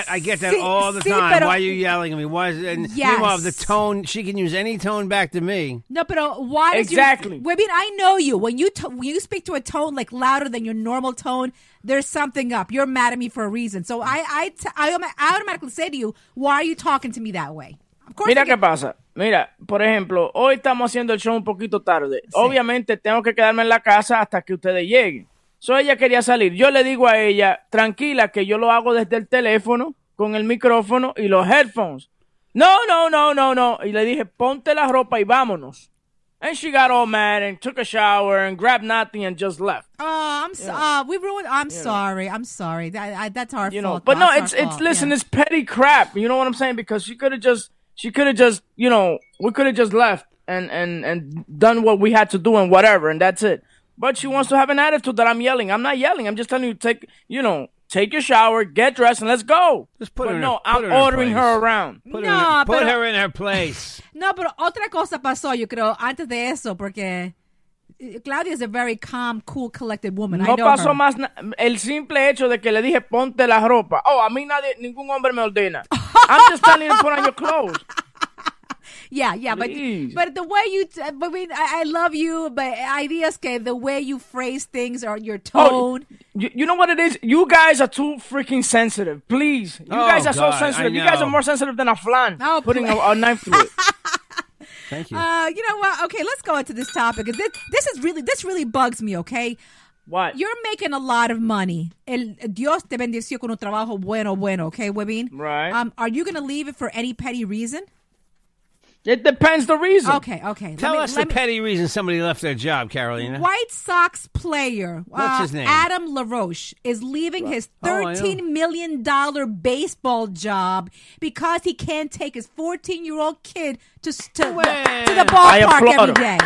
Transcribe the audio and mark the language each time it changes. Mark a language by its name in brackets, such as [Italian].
[English] I get that all the time. Why are you yelling at me? Meanwhile, the tone, she can use any tone back to me. No, but why? Exactly. I know you. When you speak to a tone like louder than your normal tone, there's something up. You're mad at me for a reason. So I automatically say to you, why are you talking to me that way? Of course. [Spanish] Mira qué pasa. Mira, por ejemplo, hoy estamos haciendo el show un poquito tarde. Sí. Obviamente tengo que quedarme en la casa hasta que ustedes lleguen. So ella quería salir. Yo le digo a ella, tranquila, que yo lo hago desde el teléfono con el micrófono y los headphones. No. Y le dije, ponte la ropa y vámonos. [English] And she got all mad and took a shower and grabbed nothing and just left. I'm sorry. That's our fault. But no, it's petty crap. You know what I'm saying? Because we could have just left and done what we had to do and whatever, and that's it. But she wants to have an attitude that I'm yelling. I'm not yelling. I'm just telling you, take your shower, get dressed, and let's go. I'm ordering her around. Put her in her place. [Spanish] No, pero otra cosa pasó, yo creo, antes de eso, porque Claudia [English] is a very calm, cool, collected woman. [Spanish] No [English] I know [Spanish] pasó [English] her. [Spanish] Más na- el simple hecho de que le dije, ponte la ropa. Oh, a mí nadie, ningún hombre me ordena. [English] I'm just telling you to put on your clothes. Yeah, but the way you, I love you, but ideas que the way you phrase things or your tone. Oh, you know what it is? You guys are too freaking sensitive. Please. You guys are so sensitive. You guys are more sensitive than a flan putting a knife through it. Thank you. You know what? Okay, let's go into this topic. This really bugs me, okay? What? You're making a lot of money. [Spanish] El Dios te bendició con un trabajo bueno, okay, Webin? [English] Right. Are you going to leave it for any petty reason? It depends the reason. Okay. Tell us the petty reason somebody left their job, Carolina. White Sox player. What's his name? Adam LaRoche is leaving his $13 million baseball job because he can't take his 14-year-old kid to the ballpark every day.